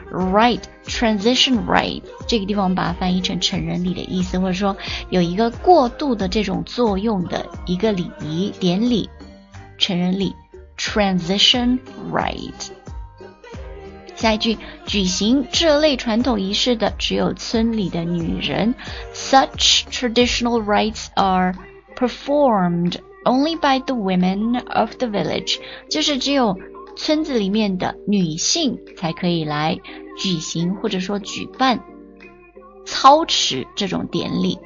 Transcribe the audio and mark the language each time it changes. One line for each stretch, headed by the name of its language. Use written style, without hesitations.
English: right, transition right,
Chinese: 这个地方把它翻译成成人礼的意思，或者说有一个过渡的这种作用的一个礼仪，典礼，成人礼，
English: transition right。
Chinese: 下一句，举行这类传统仪式的只有村里的女人。
English: Such traditional rites are performed only by the women of the village.
Chinese: 就是只有村子里面的女性才可以来举行或者说举办、操持这种典礼。